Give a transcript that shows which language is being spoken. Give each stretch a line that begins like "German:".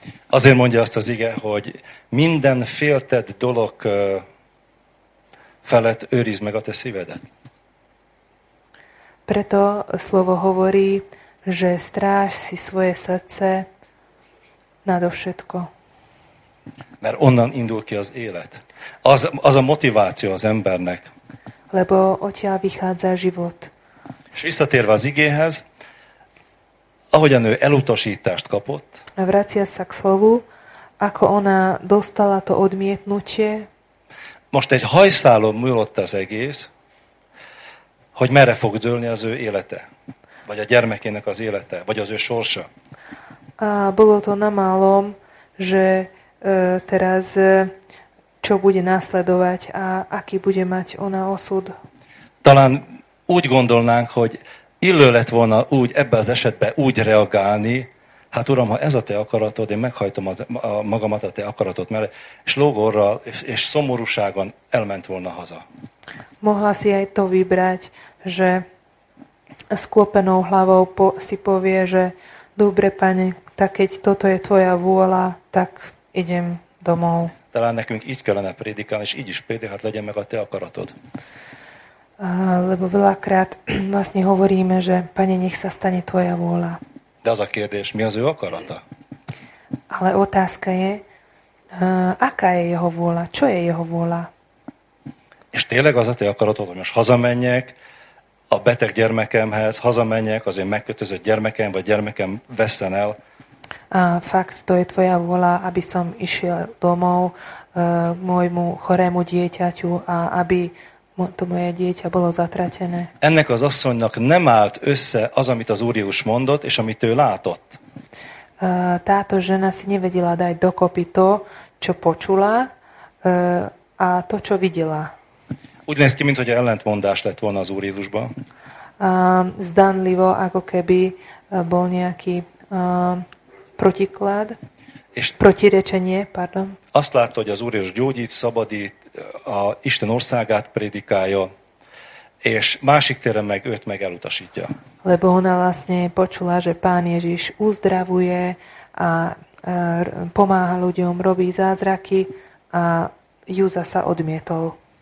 Hungarian: Azért mondja azt az ige, hogy minden féltett dolog felett őrizd meg a te szívedet.
Slovak: Preto slovo hovorí, že stráž si svoje srdce nadovšetko.
Hungarian: Mert onnan indul ki az élet. Az a motiváció az embernek.
Slovak: Lebo odtiaľ vychádza život.
Hungarian: És visszatérve az igéhez, ahogyan ő elutasítást kapott,
Slovak: vracia sa k slovu, ako ona dostala to odmietnutie,
Hungarian: most egy hajszálon múlott az egész, hogy merre fog dőlni az ő élete, vagy a gyermekének az élete, vagy az ő sorsa.
Slovak: A bolo to na málom, že teraz čo bude nasledovať a aký bude mať ona osud.
Hungarian: Talán úgy gondolnánk, hogy illő lett volna úgy ebbe az esetbe úgy reagálni, hát Uram, ha ez a te akaratod, én meghajtom a magamat a te akaratod mellett, és lógorral és szomorúságon elment volna haza.
Slovak: Mohla si aj to vybrať, že sklopenou hlavou si povie, že dobre, Pane, tak keď toto je tvoja vôľa, tak idem domov.
Hungarian: Talán nekünk így kellene prédikálni, és így is prédikálni, legyen meg a te akaratod.
Slovak: Lebo veľakrát vlastne hovoríme, že Pane, nech sa stane tvoja vôľa.
Hungarian: De az a kérdés, mi az ő akarata?
Slovak: Ale otázka je, aká je jeho vôľa, čo je jeho vôľa?
Hungarian: És tényleg az a te akaratod, hogy most hazamenjek a beteg gyermekemhez, hazamenjek az én megkötözött gyermekem, vagy gyermekem vesszen el,
Slovak: a fakt, to je tvoja vôľa, aby som išiel domov môjmu chorému dieťaťu a aby to moje dieťa bolo zatratené.
Hungarian: Ennek az asszonynak nem állt össze az, amit az Úr Jézus mondott, és amit ő látott.
Slovak: Táto žena si nevedela dať dokopy to, čo počula a to, čo videla.
Hungarian: Úgy néz ki, mint hogy ellentmondás lett volna az Úr Jézusba.
Slovak: Zdanlivo, ako keby bol nejaký protiklad.
Hungarian: És
Slovak: protirečenie, pardon.
Hungarian: Azt látta, hogy az Úr is gyógyít, szabadít, a Isten országát prédikálja, és másik téren meg őt meg elutasítja.
Slovak: Lebo ona vlastne počula, že Pán Ježiš uzdravuje a pomáha ľuďom, robí zázraky a ju zasa odmietol.